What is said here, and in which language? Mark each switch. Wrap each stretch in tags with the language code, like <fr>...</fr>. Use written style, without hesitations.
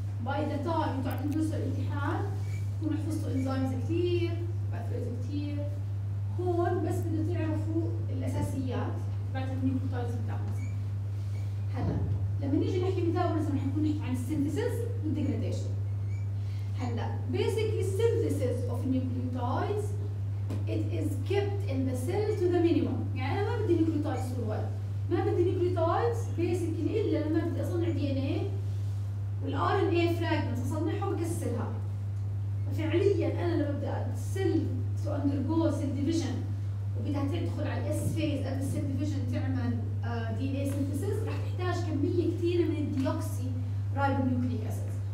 <en>by the time</en> <ar>انتوا عم تدرسوا الامتحان تكونوا حفظتوا انزيمز كثير، باثويز كثير. هون بس بدو تعرفوا الأساسيات تبعت النيوكليوتيدز بتاعكم. هلا لما نيجي نحكي ميتابوليزم رح نكون نحكي عن السينثيسيس والديجريديشن.</ar> <en>هلا بيسكلي السينثيسيس اوف النيوكليوتيدز it is kept in the cell to the minimum.</en> <ar>يعني أنا ما بدي نيوكليوتيدز طول، ما بدي نيوكليوتيدز بيسكلي إلا لما بدي أصنع دي إن إيه والآر إن إيه فراجمنت أصنعها وأكسرها. ففعليا أنا لما بدي</ar> <en>السيل to undergo cell division</en> <ar>وبدها تدخل على الإس فيز قبل السيل ديفيجن تعمل دي إن إيه سينثيسيس رح تحتاج كمية كثيرة من الديوكسي رايبونيوكليك أسيدز.</ar>